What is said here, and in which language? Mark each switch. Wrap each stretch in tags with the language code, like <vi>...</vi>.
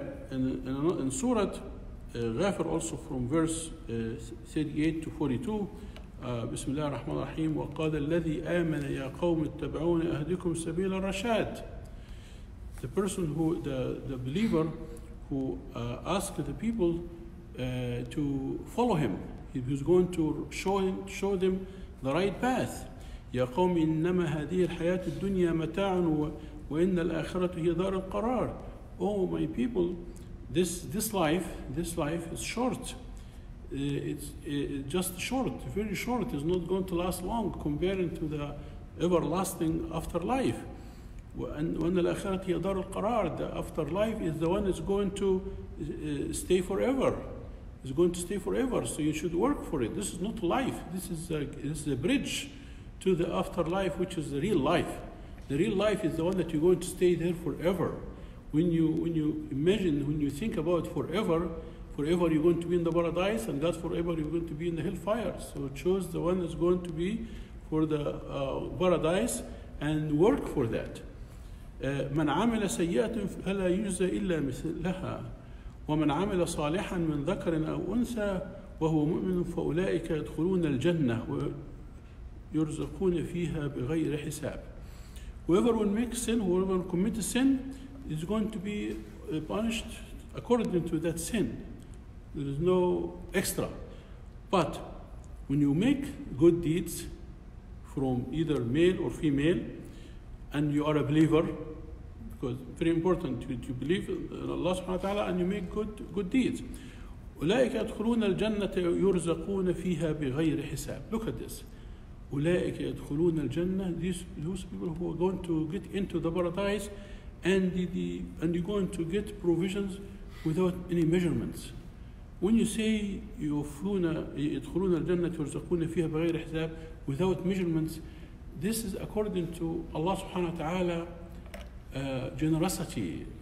<en>In Surah Ghafir also from verse 38 to 42,</en> <ar>بسم الله الرحمن الرحيم وقال الذي آمن يا قوم اتبعوني أهدكم سبيل الرشاد.</ar> <en>The person who the believer who asked the people to follow him, he was going to show them the right path.</en> <ar>يا قوم إنما هذه الحياة الدنيا متاع وإن الآخرة هي دار القرار.</ar> <en>Oh my people, this life is short. It's very short. It's not going to last long comparing to the everlasting afterlife. When the akhirati adar al qarar, the afterlife is the one that's going to stay forever. It's going to stay forever. So you should work for it. This is not life. This is a bridge to the afterlife, which is the real life. The real life is the one that you're going to stay there forever. When you imagine, when you think about forever. Forever you're going to be in the paradise, and God forever you're going to be in the hellfire. So choose the one that's going to be for the paradise and work for that.</en> <ar>من عمل سيئة فلا يجزى إلا مثلها ومن عمل صالحا من ذكر أو أنثى وهو مؤمن فأولئك يدخلون الجنة ويرزقون فيها بغير حساب.</ar> <en>Whoever will make sin, whoever commits sin, is going to be punished according to that sin. There is no extra. But when you make good deeds from either male or female, and you are a believer, because very important you believe in Allah subhanahu wa ta'ala and you make good deeds.</en> <ar>أولئك يدخلون الجنة يرزقون فيها بغير حساب.</ar> <en>Look at this.</en> <ar>أولئك يدخلون الجنة.</ar> <en>Those people who are going to get into the paradise and you're going to get provisions without any measurements. When you say</en> <ar>يدخلون الجنة يرزقون فيها بغير حساب</ar> <en>without measurements, this is according to Allah subhanahu wa ta'ala generosity.</en>